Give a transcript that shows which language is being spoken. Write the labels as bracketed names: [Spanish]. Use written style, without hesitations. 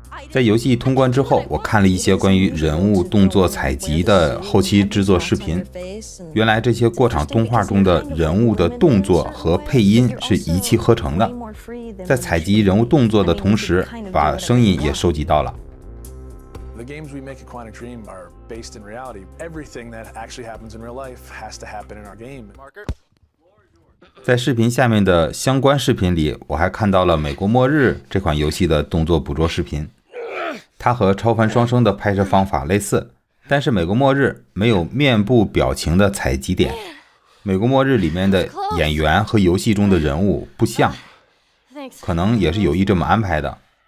[Chinese] 在游戏通关之后，我看了一些关于人物动作采集的后期制作视频，原来这些过场动画中的人物的动作和配音是一气呵成的，在采集人物动作的同时把声音也收集到了。 [English] The games we make at Quantic Dream are based in reality. Everything that actually happens in real life has to happen in our game. [Chinese] 在视频下面的相关视频里，我还看到了《美国末日》这款游戏的动作捕捉视频。它和《超凡双生》的拍摄方法类似，但是《美国末日》没有面部表情的采集点，《美国末日》里面的演员和游戏中的人物不像，可能也是有意这么安排的。